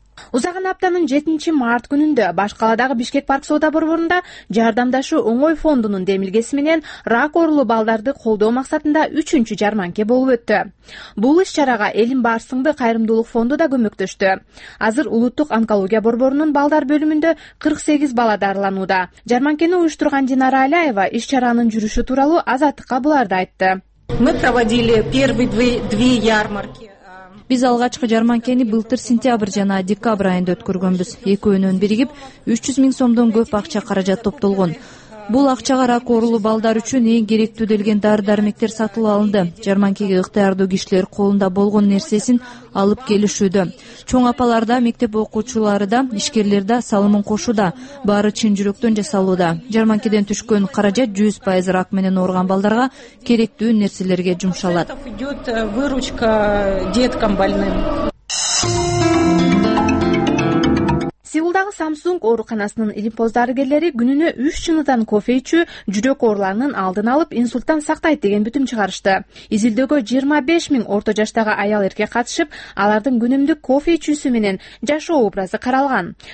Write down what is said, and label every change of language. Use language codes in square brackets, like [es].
[ky] Узаган аптанын 7 март күнүндө баш калаадагы Бишкек Парк соода борборунда жардамдашуу оңой фондунун демилгеси менен рак оорулуу балдарды колдоо максатында 3-чү жарманке болуп өттү. Бул иш чарага Элин Барсыңды кайрымдуулук фонду да көмөктөштү. Азыр улуттук онкология борборунун балдар бөлүмүндө 48 бала дарыланууда. Жарманкени уюштурган Динара Алиева иш чаранын жүрүшү тууралуу азаттыкка буларды айтты. [ru] Мы проводили первые 2 ярмарки. [ky] Биз алгачкы жарманкени былтыр сентябрь жана декабрь айында өткөргөнбүз. Экөөнүн биригип 300 000 сомдон көп акча каражат топтолгон. Бул акчага рак оорулуу балдар үчүн эң керектүү делген дары-дармектер сатылып алынды. Жарманкеге ыктыярдуу кишилер колунда болгон нерсесин алып келишүүдө. Чоң апалар да, мектеп окуучулары да, ишкерлер да салымын кошууда. Баары чын жүрөктөн жасалууда. Жарманкеден түшкөн каражат 100% рак менен ооруган балдарга керектүү нерселерге жумшалат. [ru] Выручка деткам больным. [ky] Сеулдагы Samsung ооруканасынын илимпоздарыгерлери күнүнө 3 чыныдан кофе ичүү жүрөк ооруларынын алдын алып, инсульттан сактайт деген бүтүм чыгарышты. Изилдөөгө 25 000 орто жаштагы аял эрке катышып, алардын күнүмдүк кофе ичүүсү менен жашоо образы каралган.